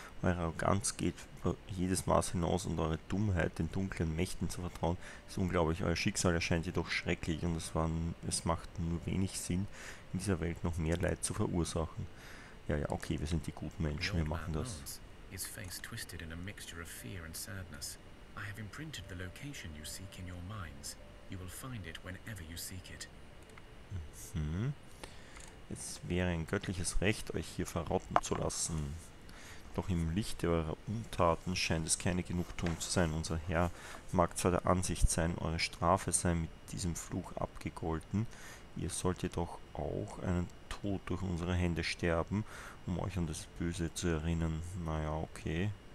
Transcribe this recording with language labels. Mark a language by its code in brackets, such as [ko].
[de] Eure Arroganz geht über jedes Maß hinaus und eure Dummheit, den dunklen Mächten zu vertrauen, ist unglaublich. Euer Schicksal erscheint jedoch schrecklich und es macht nur wenig Sinn, in dieser Welt noch mehr Leid zu verursachen. Ja, ja, okay, wir sind die guten Menschen, wir machen das. [en] His face twisted in a mixture of fear and sadness. I have imprinted the location you seek in your minds. You will find it whenever you seek it. [de] Es wäre ein göttliches Recht, euch hier verrotten zu lassen. Doch im Licht eurer Untaten scheint es keine Genugtuung zu sein. Unser Herr mag zwar der Ansicht sein, eure Strafe sei mit diesem Fluch abgegolten. Ihr sollt jedoch auch einen Tod durch unsere Hände sterben, um euch an das Böse zu erinnern. Naja, okay.